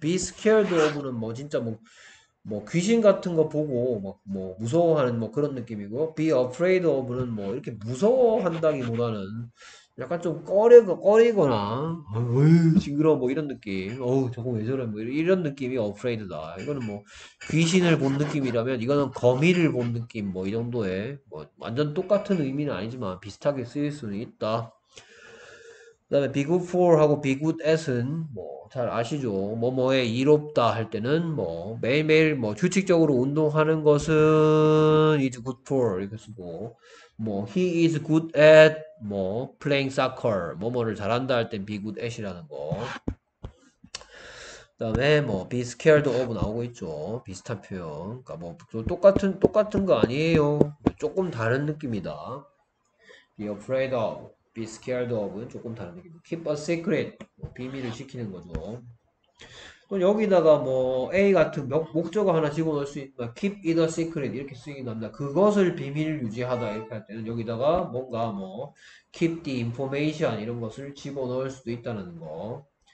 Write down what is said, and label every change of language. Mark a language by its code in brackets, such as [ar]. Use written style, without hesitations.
[ko] be scared of는 뭐 진짜 뭐 귀신 같은 거 보고 막뭐 무서워하는 뭐 그런 느낌이고, be afraid of는 뭐 이렇게 무서워한다기보다는 약간 좀 꺼리거나 징그러워 뭐 이런 느낌, 어우 저거 왜 저래 뭐 이런 느낌이 afraid다. 이거는 뭐 귀신을 본 느낌이라면 이거는 거미를 본 느낌 뭐이 정도의 뭐 완전 똑같은 의미는 아니지만 비슷하게 쓰일 수는 있다. 그다음에 be good for 하고 be good at은 뭐잘 아시죠? 뭐뭐에 이롭다 할 때는 뭐 매일매일 뭐 규칙적으로 운동하는 것은 is good for 이렇게 쓰고 뭐 [en] he is good at [ko] 뭐 [en] playing soccer [ko] 뭐뭐를 잘한다 할때 be good at이라는 거. 그다음에 뭐 be scared of 나오고 있죠. 비슷한 표현. 그러니까 뭐 똑같은 거 아니에요. 조금 다른 느낌이다. be afraid of Be scared of은 조금 다른 느낌. [en] Keep a secret. [ko] 비밀을 지키는 거죠. 또 여기다가 뭐, A 같은 목적어 하나 집어넣을 수 있다. [en] Keep it a secret. [ko] 이렇게 쓰이기도 합니다. 그것을 비밀 유지하다. 이렇게 할 때는 여기다가 뭔가 뭐, [en] keep the information. [ko] 이런 것을 집어넣을 수도 있다는 거.